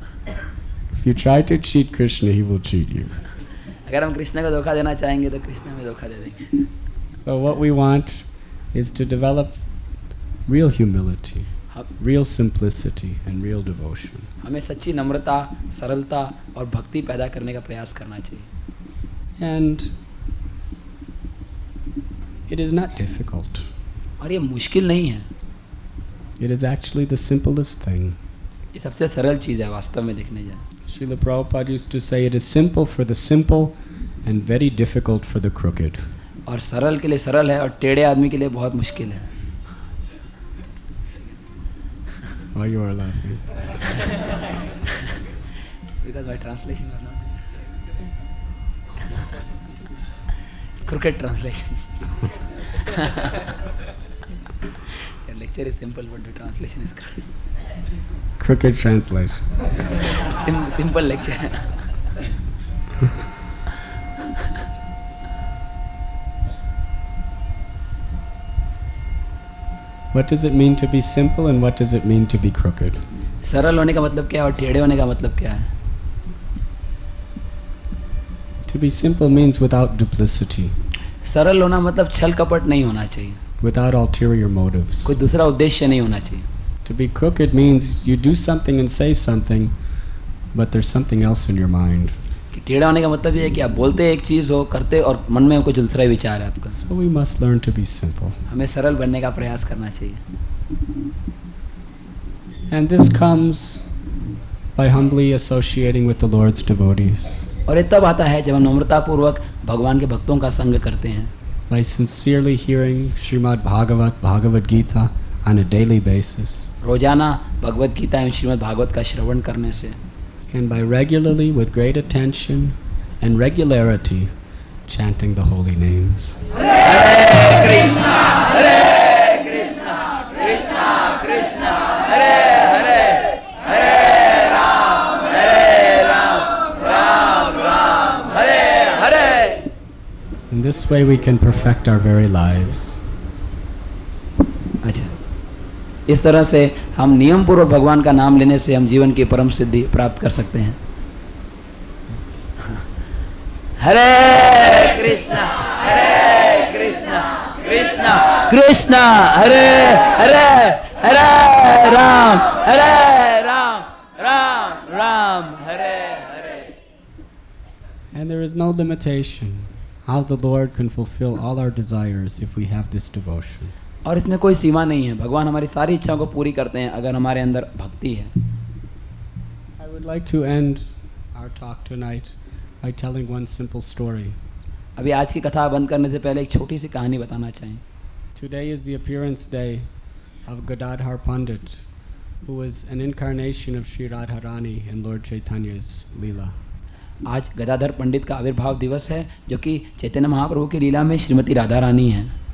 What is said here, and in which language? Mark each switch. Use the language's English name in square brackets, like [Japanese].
[English] If you try to cheat Krishna, he will cheat you. [Hindi] अगर हम कृष्ण को धोखा देना चाहेंगे तो कृष्ण हमें धोखा दे देंगे. [English] So what we want is to develop real humility, real simplicity and real devotion. [Hindi] हमें सच्ची नम्रता, सरलता और भक्ति पैदा करने का प्रयास करना चाहिए. [English] And it is not difficult. [Hindi] और ये मुश्किल नहीं है. [English] It is actually the simplest thing. [Hindi] ये सबसे सरल चीज है वास्तव में देखने जाए. [English] Srila Prabhupada used to say it is simple for the simple and very difficult for the crooked. [Hindi] और सरल के लिए सरल है और टेढ़े आदमी के लिए बहुत मुश्किल है. [English] Why you are laughing? Because my translation was not crooked translation. Your lecture is simple, but the translation is crooked. Crooked translation. Simple lecture. What does it mean to be simple and what does it mean to be crooked? [Hindi] सरल होने का मतलब क्या है और टेढ़े होने का मतलब क्या है? [English] To be simple means without duplicity. [Hindi] सरल होना मतलब छल कपट नहीं होना चाहिए. [English] Without ulterior motives. [Hindi] कोई दूसरा उद्देश्य नहीं होना चाहिए. [English] To be crooked means you do something and say something but there's something else in your mind. [Hindi] कि टेढ़ा होने का मतलब ये है कि आप बोलते एक चीज हो करते और मन में कुछ दूसरा ही विचार है आपका. [English] So we must learn to be simple. [Hindi] हमें सरल बनने का प्रयास करना चाहिए. [English] And this comes by humbly associating with the Lord's devotees. [Hindi] और ये तब आता है जब हम नम्रता पूर्वक भगवान के भक्तों का संग करते हैं. [English] By sincerely hearing Srimad Bhagavat, Bhagavad Gita on a daily basis. [Hindi] रोजाना भगवत गीता एवं श्रीमद् भागवत का श्रवण करने से. [English] And by regularly, with great attention and regularity, chanting the holy names. [Sanskrit] Hare Krishna, Hare Krishna, Krishna Krishna, Hare Hare, Hare Ram, Hare Ram, Ram Ram, Hare Hare. [English] In this way, we can perfect our very lives. [Hindi] अच्छा. इस तरह से हम नियम पूर्व भगवान का नाम लेने से हम जीवन की परम सिद्धि प्राप्त कर सकते हैं. [Sanskrit] हरे कृष्णा, हरे कृष्णा, कृष्णा कृष्णा, हरे हरे, हरे राम, हरे Ram, Ram Ram, Hare Hare. [English] And there is no limitation how the Lord can fulfill all our desires if we have this devotion. [Hindi] और इसमें कोई सीमा नहीं है. भगवान हमारी सारी इच्छाओं को पूरी करते हैं अगर हमारे अंदर भक्ति है. [English] I would like to end our talk tonight by telling one simple story. [Hindi] अभी आज की कथा बंद करने से पहले एक छोटी सी कहानी बताना चाहें. [English] Today is the appearance day of Gadadhar Pandit, who was an incarnation of Sri Radharani in Lord Chaitanya's Leela. [Hindi] आज गदाधर पंडित का आविर्भाव दिवस है जो कि चैतन्य महाप्रभु की लीला में श्रीमती राधा रानी है.